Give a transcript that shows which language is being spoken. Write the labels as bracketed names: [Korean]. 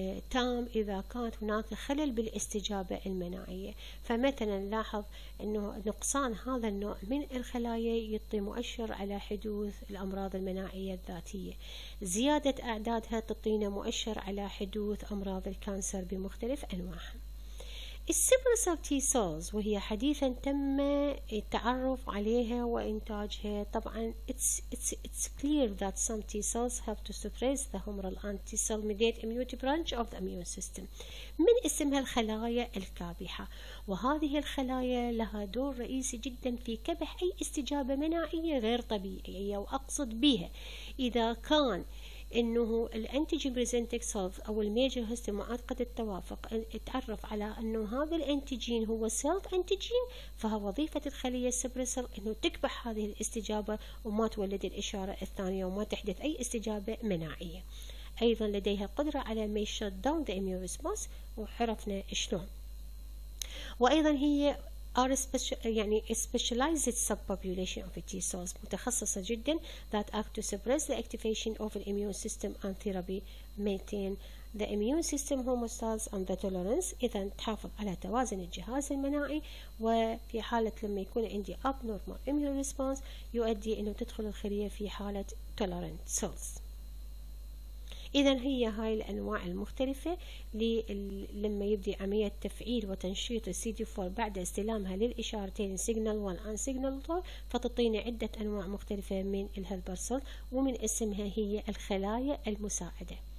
[Arabic] تام إذا كانت هناك خلل بالاستجابة المناعية، فمثلا لاحظ أنه نقصان هذا النوع من الخلايا يعطي مؤشر على حدوث الأمراض المناعية الذاتية، زيادة أعدادها تعطينا مؤشر على حدوث أمراض الكانسر بمختلف أنواعها. السبرسر تي سولز وهي حديثا تم التعرف عليها وإنتاجها، طبعا [English] it's clear that some T cells have to suppress the humoral anti cell mediate immunity branch of the immune system. [Arabic] من اسمها الخلايا الكابحة، وهذه الخلايا لها دور رئيسي جدا في كبح أي استجابة مناعية غير طبيعية، وأقصد بها إذا كان انه الانتيجين بريزنتك سيلز او الميجر هيستومات قد التوافق اتعرف على انه هذا الانتيجين هو سيلف انتيجين، فهو وظيفه الخليه السبريسر انه تكبح هذه الاستجابه وما تولد الاشاره الثانيه وما تحدث اي استجابه مناعيه. ايضا لديها قدره على ما يشت داون ذا اميون ريسبونس، وعرفنا شلون. وايضا هي ار يعني [English] specialized subpopulation of T cells [Arabic] متخصصة جدا [English] that act to suppress the activation of the immune system and therapy maintain the immune system homeostasis and the tolerance، [Arabic] إذا تحافظ على توازن الجهاز المناعي، وفي حالة لما يكون عندي [English] abnormal immune response [Arabic] يؤدي إنه تدخل الخلية في حالة [English] tolerant cells. [Arabic] إذا هي هاي الأنواع المختلفة لما يبدي عملية تفعيل وتنشيط الـ CD4 بعد استلامها للإشارتين [English] Signal 1 and Signal 2، [Arabic] فتعطيني عدة أنواع مختلفة من الهيلبر سيل، ومن اسمها هي الخلايا المساعدة.